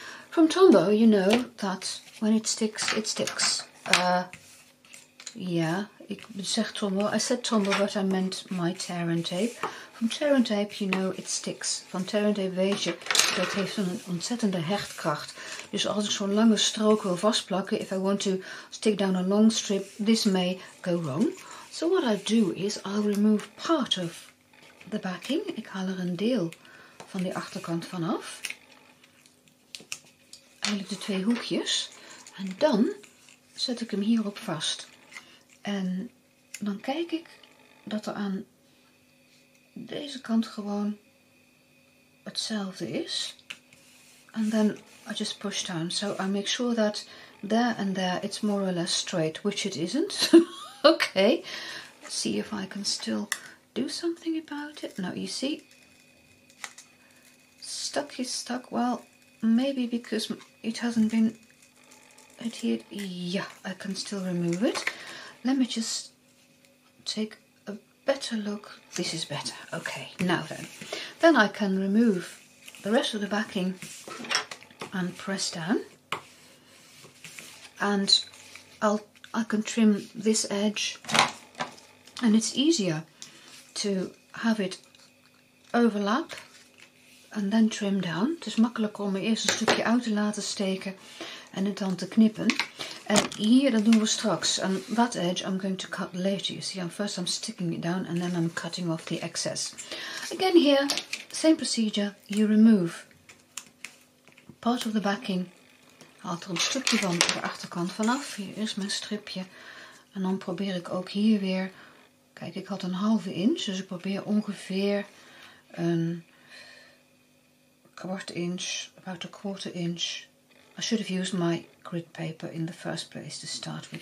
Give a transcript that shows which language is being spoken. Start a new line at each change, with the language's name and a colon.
English: From Tombow, you know that when it sticks, it sticks. I said Tombow, but I meant my tear and tape. From tear and tape, you know it sticks.
Dutch: Van tear and tape weet je, dat heeft een ontzettende hechtkracht. Dus als ik zo'n lange strook wil vastplakken,
English: if I want to stick down a long strip, this may go wrong. So what I do is, I'll remove part of the backing.
Dutch: Ik haal er een deel van die achterkant vanaf. Eigenlijk de twee hoekjes. En dan zet ik hem hierop vast. En dan kijk ik dat er aan deze kant gewoon hetzelfde is.
English: And then I just push down. So I make sure that there and there it's more or less straight. Which it isn't. Okay. Let's see if I can still do something about it. Now you see. Stuck is stuck. Well, maybe because it hasn't been adhered. Yeah, I can still remove it. Let me just take a better look. This is better. Okay, now then. Then I can remove the rest of the backing and press down. And I can trim this edge. And it's easier to have it overlap. And then trim down.
Dutch: Het is makkelijker om er eerst een stukje uit te laten steken en het dan te knippen. En hier, dat doen we straks.
English: And that edge I'm going to cut later. You see, first I'm sticking it down and then I'm cutting off the excess. Again here, same procedure. You remove part of the backing.
Dutch: Haal er een stukje van de achterkant vanaf. Hier is mijn stripje. En dan probeer ik ook hier weer. Kijk, ik had 1/2 inch. Dus ik probeer ongeveer een 1/4 inch,
English: about 1/4 inch. I should have used my grid paper in the first place to start with.